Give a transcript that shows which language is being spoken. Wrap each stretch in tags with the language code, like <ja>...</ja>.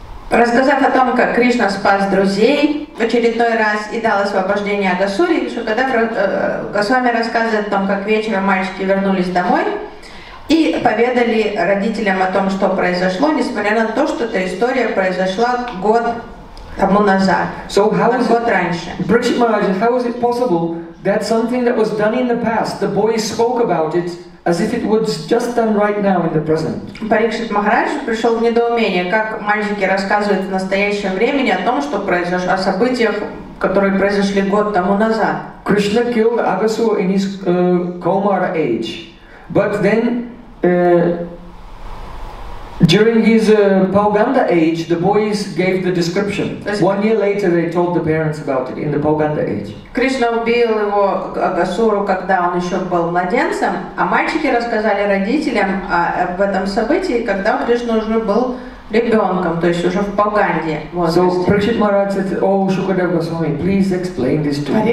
<ru>Рассказав о том, как Кришна спас друзей в очередной раз и дал освобождение Агасуре, Шукадев Госвами рассказывает о том, как вечером мальчики вернулись домой и поведали родителям о том, что произошло, несмотря на то, что эта история произошла год тому назад,</ru> <en>so how</en> <ru>год раньше. Бхакти Махараджа, как это возможно,</ru> <en>That's something that was done in the past. The boy spoke about it as if it was just done right now in the present.</en> <ru>Парикшит Махарадж пришел в недоумение, как мальчики рассказывают в настоящем времени о том, что произошло, о событиях, которые произошли год тому назад.</ru> <en>Krishna killed Agasura in his Kaumara age, but then during his Pauganda age, the boys gave the description. One year later, they told the parents about it in the Pauganda age.</en> <ru>Krishna убил его Агасуру, когда он еще был младенцем, а мальчики рассказали родителям об этом событии, когда Кришна уже был ребенком, то есть уже в Пауганде возрасте.</ru> <en>So Prakshit Maharaj said, "Oh, Shukadeva Goswami, please explain this to me."</en>